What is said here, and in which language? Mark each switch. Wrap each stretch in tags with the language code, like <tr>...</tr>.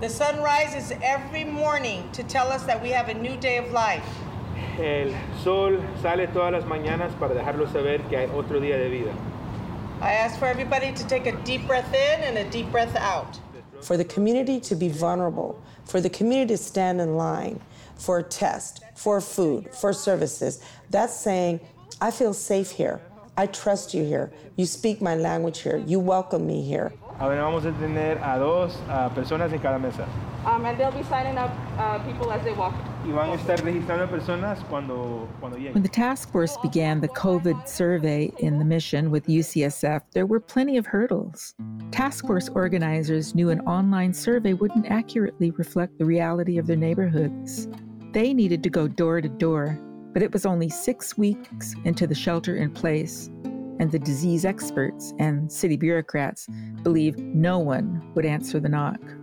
<en>The sun rises every morning to tell us that we have a new day of life.</en> <es>El sol sale todas las mañanas para dejarlos saber que hay otro día de vida.</es> <en>I ask for everybody to take a deep breath in and a deep breath out. For the community to be vulnerable, for the community to stand in line, for a test, for food, for services. That's saying, I feel safe here. I trust you here. You speak my language here. You welcome me here.</en> <es>Ahora vamos a tener a dos personas en cada mesa.</es> <en>And they'll be signing up people as they walk.</en> <es>Y van a estar registrando personas cuando lleguen.</es> <en>When the task force began the COVID survey in the Mission with UCSF, there were plenty of hurdles. Task force organizers knew an online survey wouldn't accurately reflect the reality of their neighborhoods. They needed to go door to door, but it was only 6 weeks into the shelter in place, and the disease experts and city bureaucrats believe no one would answer the knock.</en>